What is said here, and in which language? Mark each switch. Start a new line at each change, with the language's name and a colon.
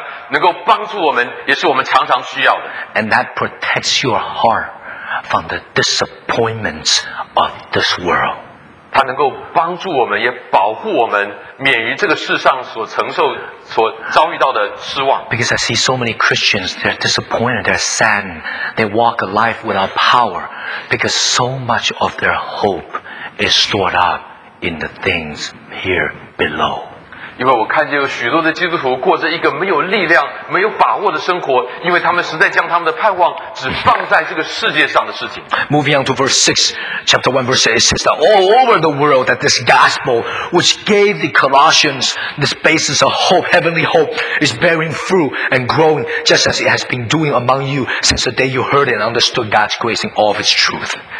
Chinese: 能够将我们的心思意念，将我们的盼望，能够常常存在于那个永恒的家乡，能够帮助我们，也是我们常常需要的。
English: And that protects your heart from the disappointments of this world.
Chinese: 它能够帮助我们，也保护我们，免于这个世上所承受、所遭遇到的失望。
English: Because I see so many Christians, they're disappointed, they're saddened, they walk a life without power, because so much of their hope is stored up in the things here below.
Chinese: 因为我看见有许多的基督徒过着一个没有力量、没有把握的生活，因为他们实在将他们的盼望只放在这个世界上的事情。
English: Moving on to verse 6, chapter 1, verse 8, it says that all over the world that this gospel which gave the Colossians this basis of hope, heavenly hope, is bearing fruit and growing just as it has been doing among you since the day you heard it and understood God's grace in all of its truth.